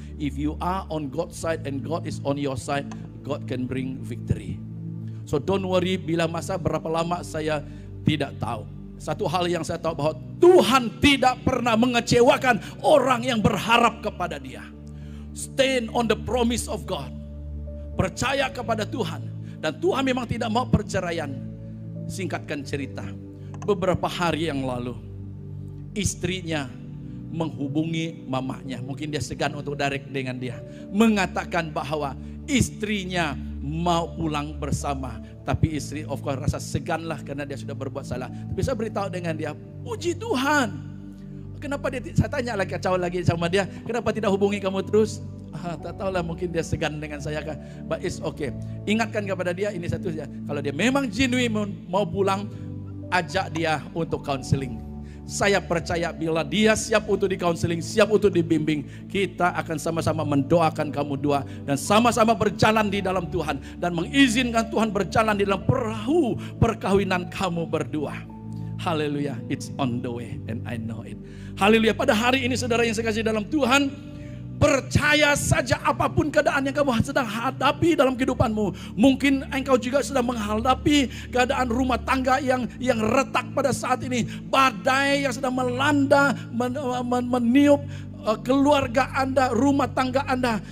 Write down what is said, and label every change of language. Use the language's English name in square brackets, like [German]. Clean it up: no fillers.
[English] If you are on God's side and God is on your side, God can bring victory. So don't worry [Malay] bila masa berapa lama saya tidak tahu. Satu hal yang saya tahu bahwa Tuhan tidak pernah mengecewakan orang yang berharap kepada Dia. [English] Stand on the promise of God. [Malay] Percaya kepada Tuhan. Dan Tuhan memang tidak mau perceraian. Singkatkan cerita. Beberapa hari yang lalu, istrinya menghubungi mamanya. Mungkin dia segan untuk direct dengan dia. Mengatakan bahwa istrinya mau pulang bersama. Tapi istri [English] of course [Malay] rasa seganlah karena dia sudah berbuat salah. Tapi saya beritahu dengan dia, puji Tuhan. Kenapa dia, saya tanya lagi, kacau lagi sama dia. Kenapa tidak hubungi kamu terus? Tak tahulah, mungkin dia segan dengan saya. [English] But it's okay. [Malay] Ingatkan kepada dia, ini satu saja. Kalau dia memang genuine mau pulang, ajak dia untuk counseling. Saya percaya bila dia siap untuk di counseling, siap untuk dibimbing, kita akan sama-sama mendoakan kamu dua dan sama-sama berjalan di dalam Tuhan dan mengizinkan Tuhan berjalan di dalam perahu perkawinan kamu berdua. [English] Haleluya, it's on the way and I know it. [Malay] Haleluya, pada hari ini saudara yang saya kasih dalam Tuhan, percaya saja apapun keadaan yang kamu sedang hadapi dalam kehidupanmu. Mungkin engkau juga sedang menghadapi keadaan rumah tangga yang retak pada saat ini. Badai yang sedang melanda, meniup keluarga Anda, rumah tangga Anda.